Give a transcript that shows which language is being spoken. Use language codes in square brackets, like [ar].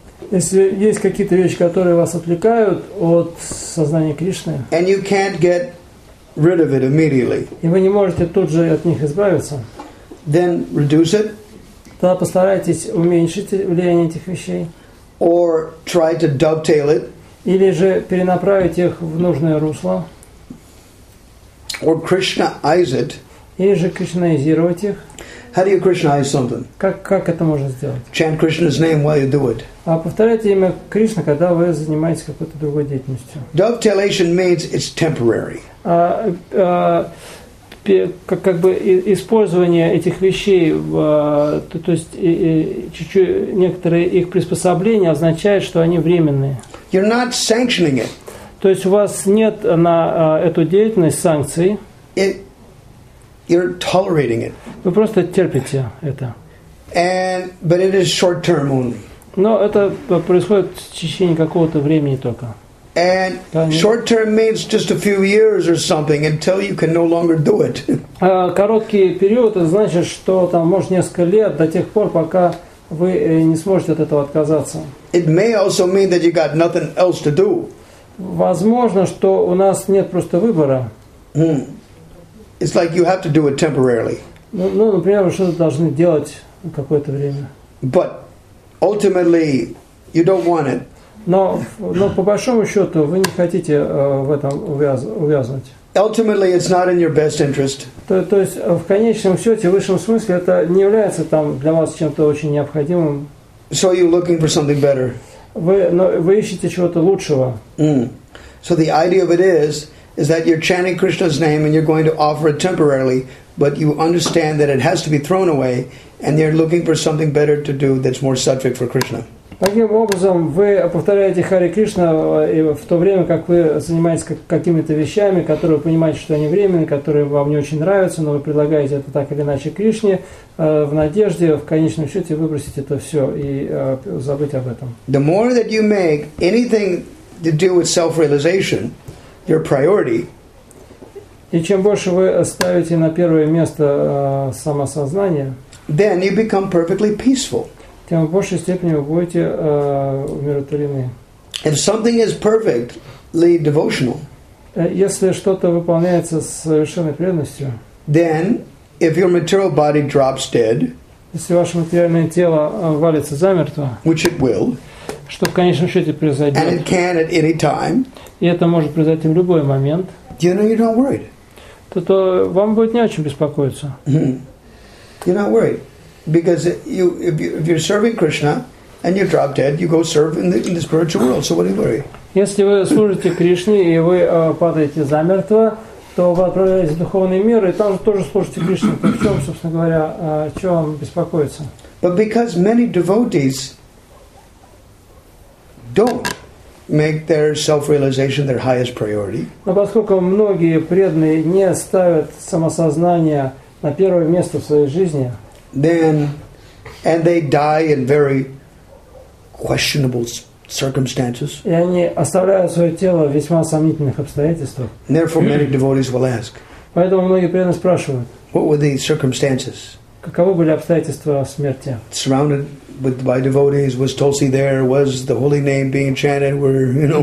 [ru] если есть какие-то вещи, которые вас отвлекают от сознания Кришны, [en] and you can't get rid of it immediately, [ru] и вы не можете тут же от них избавиться, [en] then reduce it, [ru] тогда постарайтесь уменьшить влияние этих вещей, [en] or try to dovetail it, [ru] или же перенаправить их в нужное русло, [en] or Krishnaize it, [ru] или же кришнаизировать их. [en] How do you Krishnaize something? [ru] Как это можно сделать? [en] Chant Krishna's name while you do it. [ru] А повторяйте имя Кришны, когда вы занимаетесь какой-то другой деятельностью. [en] Dovetailation means it's temporary. [ru] Как бы использование этих вещей, то есть чуть-чуть некоторые их приспособления означает, что они временные. [en] You're not sanctioning it. [ru] То есть у вас нет на эту деятельность санкций. [en] You're tolerating it. [ru] Вы просто терпите это. [en] But it is short term only. [ru] Но это происходит в течение какого-то времени только. [en] And short term means just a few years or something until you can no longer do it. [ru] Короткий период значит, что там может несколько лет до тех пор, пока вы не сможете от этого отказаться. [en] It may also mean that you got nothing else to do. [ru] Возможно, что у нас нет просто выбора. [en] It's like you have to do it temporarily. [ru] Ну, например, вы что-то должны делать какое-то время. [en] But ultimately, you don't want it. [ru] Но по большому счету вы не хотите в этом увязывать. [en] Ultimately, it's not in your best interest. [ru] То есть в конечном счете, в высшем смысле, это не является там для вас чем-то очень необходимым. [en] So you're looking for something better. [ru] Вы ищете чего-то лучшего. [en] So the idea of it is that you're chanting Krishna's name and you're going to offer it temporarily, but you understand that it has to be thrown away and they're looking for something better to do that's more sattvic for Krishna. [ru] Таким образом, вы повторяете Харе Кришна в то время, как вы занимаетесь какими-то вещами, которые вы понимаете, что они временные, которые вам не очень нравятся, но вы предлагаете это так или иначе Кришне в надежде в конечном счете выбросить это все и забыть об этом. [en] The more that you make anything to do with self-realization your priority, [ru] и чем больше вы ставите на первое место самосознание, [en] then you become perfectly peaceful. [ru] Тем в большей степени вы будете умиротворены. [en] If something is perfectly devotional, [ru] если что-то выполняется с совершенной преданностью, [en] then if your material body drops dead, [ru] если ваше материальное тело валится замертво, [en] which it will, [ru] что в конечном счете произойдет, [en] and it can at any time, [ru] и это может произойти в любой момент, [en] you know, you're not worried. [ru] То вам будет не о чем беспокоиться. [en] Mm-hmm. You're not worried. Because if you're serving Krishna and you drop dead, you go serve in the spiritual world. So what are you worried? [ru] Если вы служите Кришне и вы падаете замертво, то вы отправляетесь в духовный мир и там тоже служите Кришне. То в чем, собственно говоря, чем вам беспокоиться? [en] But because many devotees don't make their self-realization their highest priority. [ru] Но поскольку многие преданные не ставят самосознание на первое место в своей жизни, [en] then, and they die in very questionable circumstances. [ru] И они оставляют свое тело в весьма сомнительных обстоятельствах. [en] Therefore, many devotees will ask. [ru] Поэтому многие преданные спрашивают. [en] What were the circumstances? [ru] Каковы были обстоятельства смерти? [en] Surrounded by devotees, was Tulsi there? Was the holy name being chanted? Were you know?